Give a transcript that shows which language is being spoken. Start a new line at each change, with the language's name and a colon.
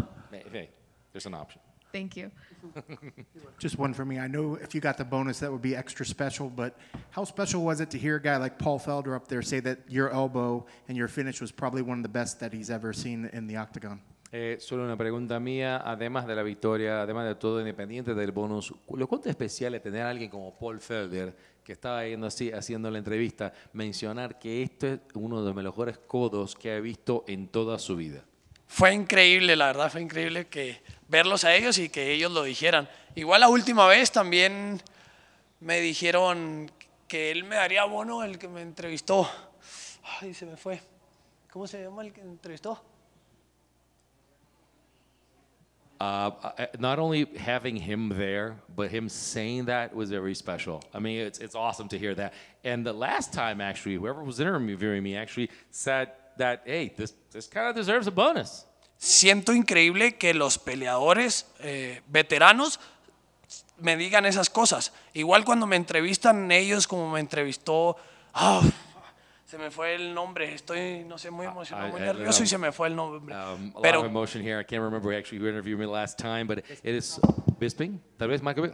English: Hey, there's an option. Thank you. Just one for me. I know if you got the bonus, that would be extra special, but how special was it to hear a guy like Paul Felder up there say that your elbow and your finish was probably one of the best that he's ever seen in the octagon?
Spanish: Solo una pregunta mía. Además de la victoria, además de todo, independiente del bonus, ¿lo cuánto especial es tener a alguien como Paul Felder, que estaba yendo así, haciendo la entrevista, mencionar que esto es uno de los mejores codos que ha visto en toda su vida? Fue increíble, la verdad, fue increíble que verlos a ellos y que ellos lo dijeran. Igual la última vez también me dijeron que él me daría bono el que me entrevistó. Ay, se me fue. ¿Cómo se llama el que entrevistó?
English: Not only having him there, but him saying that was very special. I mean, it's awesome to hear that. And the last time, actually, whoever was interviewing me actually said that, hey, this kind of deserves a bonus.
Spanish: Siento increíble que los peleadores veteranos me digan esas cosas. Igual cuando me entrevistan ellos, como me entrevistó, oh, se me fue el nombre. Estoy, no sé, muy emocionado, muy nervioso y se me fue el nombre.
English: Pero, a lot of emotion here. I can't remember who interviewed me last time, but it is Bisping.
Spanish: Tal vez
English: Michael Bisping.